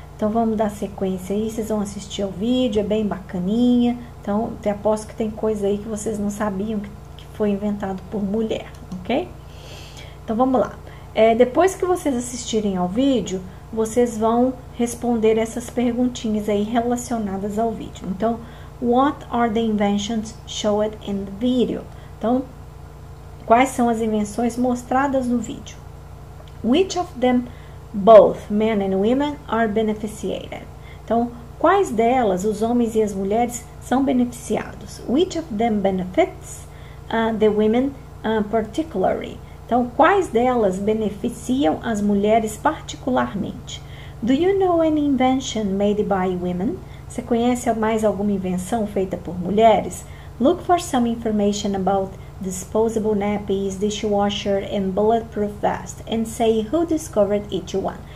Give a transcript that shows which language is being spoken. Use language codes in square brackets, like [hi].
[pt] Então vamos dar sequência aí, vocês vão assistir ao vídeo, é bem bacaninha. Então, eu aposto que tem coisa aí que vocês não sabiam que foi inventado por mulher, ok? Então vamos lá. Depois que vocês assistirem ao vídeo, vocês vão responder essas perguntinhas aí relacionadas ao vídeo. Então, [en] what are the inventions showed in the video? [pt] Então, quais são as invenções mostradas no vídeo? [en] Which of them, both men and women, are beneficiated? [pt] Então, quais delas, os homens e as mulheres, são beneficiados? [en] Which of them benefits the women particularly? [pt] Então, quais delas beneficiam as mulheres particularmente? [en] Do you know any invention made by women? [pt] Você conhece mais alguma invenção feita por mulheres? [en] Look for some information about disposable nappies, dishwasher and bulletproof vest and say who discovered each one.